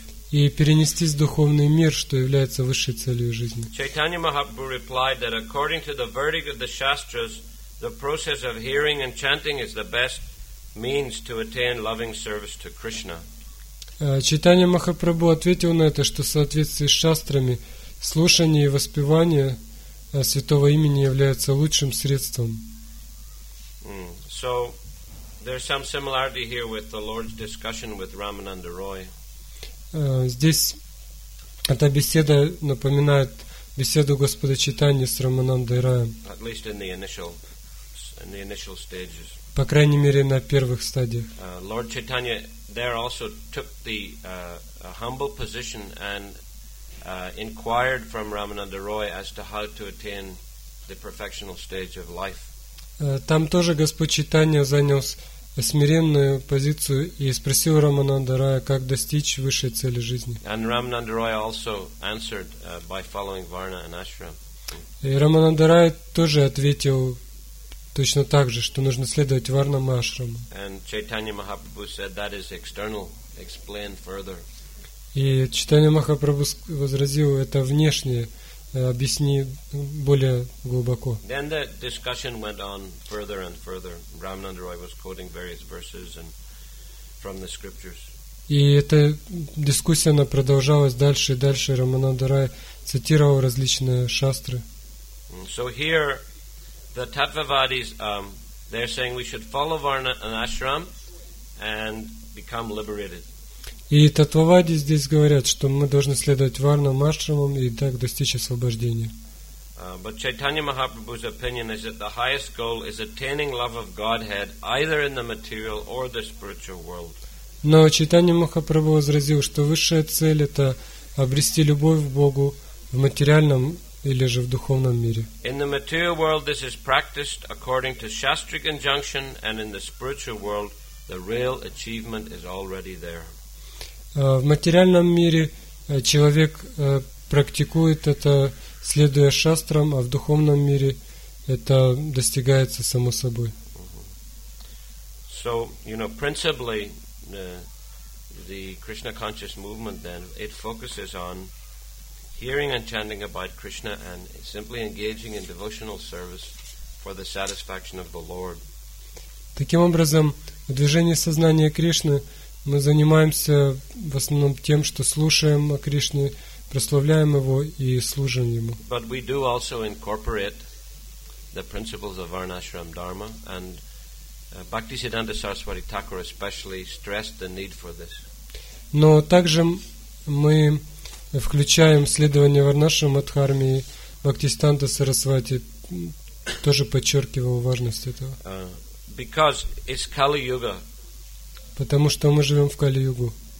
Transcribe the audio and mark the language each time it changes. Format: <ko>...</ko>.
<ru>И перенестись в духовный мир, что является высшей целью жизни.</ru> <en>Чайтанья Махапрабху replied that according to the verdict of the Shastras, the process of hearing and chanting is the best means to attain loving service to Krishna.</en> <ru>Чайтанья Махапрабху ответил на это, что в соответствии с шастрами слушание и воспевание святого имени является лучшим средством.</ru> <en>So there's some similarity here with the Lord's discussion with Ramananda Roy.</en> <ru>Здесь эта беседа напоминает беседу Господа Чайтаньи с Раманандой Раем.</ru> <en>At least in the initial stages.</en> <ru>По крайней мере, на первых стадиях.</ru> <en>Lord Chaitanya there also took the humble position and inquired from Ramananda Roy as to how to attain the perfectional stage of life.</en> <ru>Там тоже Господь Чайтанья занял смиренную позицию и спросил Рамананда Роя, как достичь высшей цели жизни.</ru> <en>And Ramananda Roy also answered by following Varna and Ashram.</en> <ru>И Рамананда Рай тоже ответил точно так же, что нужно следовать варнам и ашрамам.</ru> <en>And Chaitanya Mahaprabhu said that is external. Explain further.</en> <ru>И Чайтанья Махапрабху возразил, это внешнее. Объясни более глубоко.</ru> <en>Then the discussion went on further and further. Ramananda Roy was quoting various verses and from the scriptures.</en> <ru>И эта дискуссия она продолжалась дальше и дальше. Рамананда Рай цитировал различные шастры.</ru> <en>So here the Tattvavadis, they're saying we should follow Varna and Ashram and become liberated.</en> <ru>И Таттвавади здесь говорят, что мы должны следовать Варнам, Ашрамам и так достичь освобождения.</ru> <en>But Chaitanya Mahaprabhu's opinion is that the highest goal is attaining love of Godhead either in the material or the spiritual world.</en> <ru>Но Чайтанья Махапрабху возразил, что высшая цель это обрести любовь к Богу в материальном или же в духовном мире.</ru> <en>In the material world this is practiced according to Shastric injunction and in the spiritual world the real achievement is already there.</en> <ru>В материальном мире человек практикует это, следуя шастрам, а в духовном мире это достигается само собой.</ru> <en>So, you know, principally the Krishna conscious movement then, it focuses on hearing and chanting about Krishna and simply engaging in devotional service for the satisfaction of the Lord.</en> <ru>Таким образом, в движении сознания Кришны мы занимаемся в основном тем, что слушаем о Кришне, прославляем Его и служим Ему.</ru> <en>But we do also incorporate the principles of Varnashram Dharma and Bhaktisiddhanta Saraswati Thakur especially stressed the need for this.</en> <ru>Но также мы включаем следование Варнашрама Дхарме, Бхактисиддханта Сарасвати тоже подчеркивал важность этого.</ru> <en>Because it's Kali Yuga.</en> <ru>Потому что мы живем в Кали-Югу.</ru>